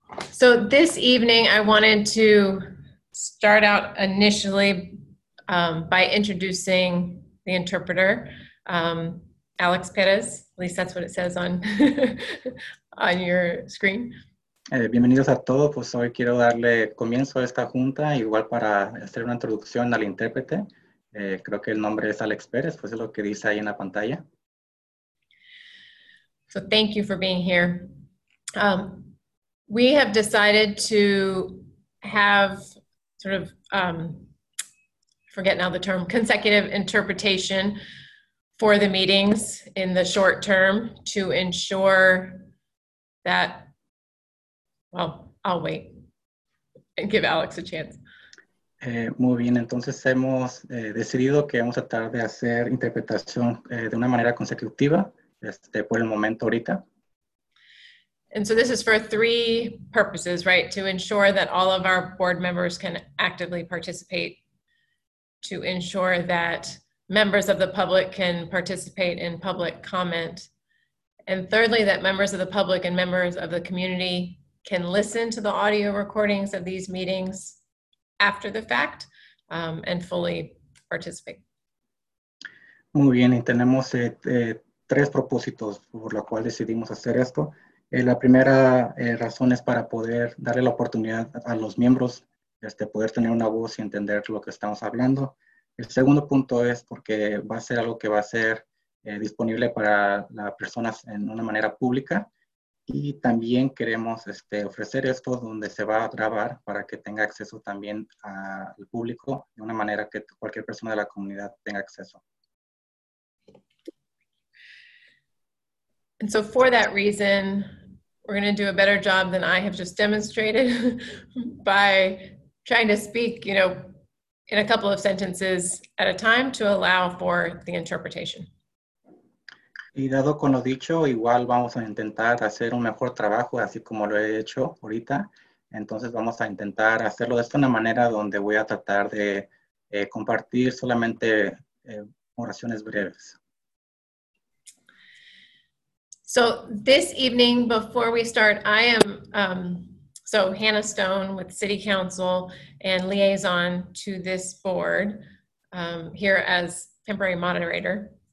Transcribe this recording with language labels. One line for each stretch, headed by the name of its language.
English: So this evening, I wanted to start out initially by introducing the interpreter, Alex Perez. At least that's what it says on on your screen.
Spanish: Bienvenidos a todos. Pues hoy quiero darle comienzo a esta junta, igual para hacer una introducción al intérprete. Creo que el nombre es Alex Perez, pues es lo que dice ahí en la pantalla.
English: So thank you for being here. We have decided to have sort of, forget now the term, consecutive interpretation for the meetings in the short term to ensure that, well, I'll wait and give Alex a chance.
Spanish: Muy bien, entonces hemos decidido que vamos a tratar de hacer interpretación de una manera consecutiva. Por el momento, ahorita.
English: And so this is for three purposes, right? To ensure that all of our board members can actively participate, to ensure that members of the public can participate in public comment, and thirdly, that members of the public and members of the community can listen to the audio recordings of these meetings after the fact and fully participate.
Spanish: Muy bien, y tenemos tres propósitos por lo cual decidimos hacer esto. La primera razón es para poder darle la oportunidad a los miembros poder tener una voz y entender lo que estamos hablando. El segundo punto es porque va a ser algo que va a ser disponible para las personas en una manera pública. Y también queremos ofrecer esto donde se va a grabar para que tenga acceso también al público de una manera que cualquier persona de la comunidad tenga acceso.
English: And so for that reason, we're going to do a better job than I have just demonstrated by trying to speak, you know, in a couple of sentences at a time to allow for the interpretation.
Spanish: Y dado con lo dicho, igual vamos a intentar hacer un mejor trabajo, así como lo he hecho ahorita. Entonces vamos a intentar hacerlo de esta manera donde voy a tratar de compartir solamente oraciones breves.
English: So this evening, before we start, I am Hannah Stone with City Council and liaison to this board here as temporary moderator.